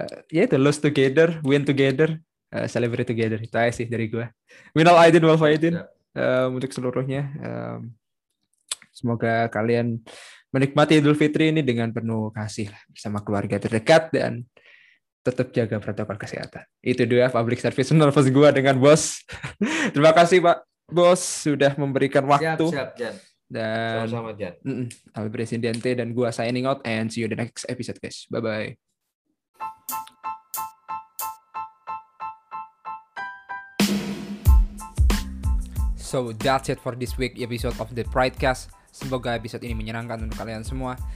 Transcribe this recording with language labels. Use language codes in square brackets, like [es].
[en] To lose together, win together, celebrate together. [id] Itu aja sih dari gue. Minal aidin wal faidin. Untuk seluruhnya semoga kalian menikmati Idul Fitri ini dengan penuh kasih sama keluarga terdekat dan tetap jaga protokol kesehatan. Itu dia public service nervous gue dengan bos. Terima kasih Pak Bos sudah memberikan waktu. Siap, Jan. Sama-sama, Jan. Dan gue [en] signing out and see you the next episode, guys. Bye-bye. So, that's it for this week episode of the Pridecast. [id] Semoga episode ini menyenangkan untuk kalian semua.